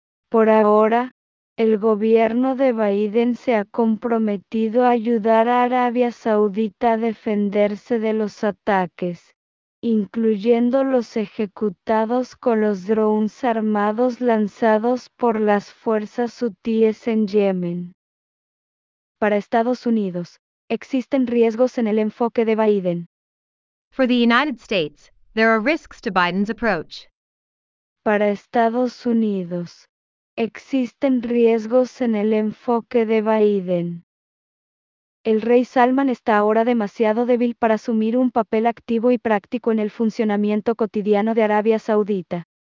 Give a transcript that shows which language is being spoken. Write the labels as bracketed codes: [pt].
[es] Por ahora, el gobierno de Biden se ha comprometido a ayudar a Arabia Saudita a defenderse de los ataques, incluyendo los ejecutados con los drones armados lanzados por las fuerzas hutíes en Yemen. Para Estados Unidos, existen riesgos en el enfoque de Biden. [en] For the United States, there are risks to Biden's approach. [es] Para Estados Unidos, existen riesgos en el enfoque de Biden. El rey Salman está ahora demasiado débil para asumir un papel activo y práctico en el funcionamiento cotidiano de Arabia Saudita.